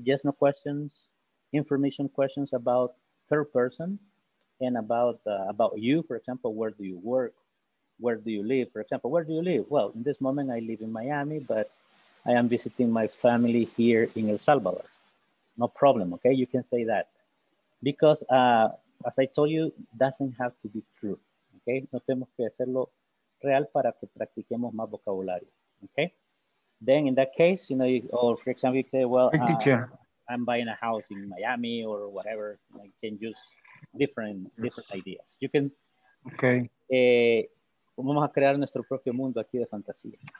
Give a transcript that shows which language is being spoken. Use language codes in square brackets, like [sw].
[en] Yes, no questions, information questions about third person and about you, for example, where do you work? Where do you live? For example, where do you live? Well, in this moment, I live in Miami, but I am visiting my family here in El Salvador. No problem, okay? You can say that. Because as I told you, doesn't have to be true, okay? [es] No tenemos que hacerlo real para que practiquemos más vocabulario, [en] okay? Then in that case, you know, you, or for example, you say, well, I'm buying a house in Miami or whatever. I can use different ideas. You can... Okay. [es] Vamos a crear nuestro propio mundo aquí de fantasía.